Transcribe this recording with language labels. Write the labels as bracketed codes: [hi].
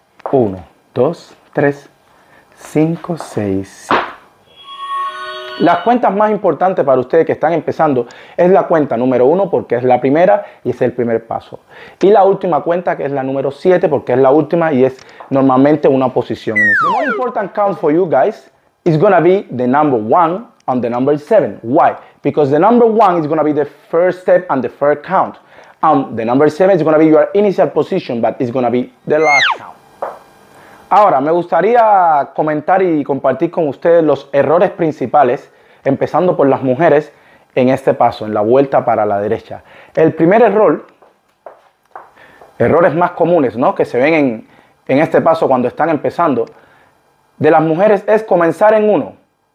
[es] 1, 2, 3, 5, 6, 7. Las cuentas más importantes para ustedes que están empezando es la cuenta número 1 porque es la primera y es el primer paso. Y la última cuenta, que es la número 7 porque es la última y es normalmente una posición. [en] The most important count for you guys is gonna be the number 1. On the number 7. Why? Because the number 1 is gonna be the first step and the first count. The number 7 is gonna be your initial position, but it's gonna be the last count. [es] Ahora, me gustaría comentar y compartir con ustedes los errores principales, empezando por las mujeres, en este paso, en la vuelta para la derecha. El primer error, errores más comunes, ¿no?, que se ven en este paso cuando están empezando, de las mujeres es comenzar en 1.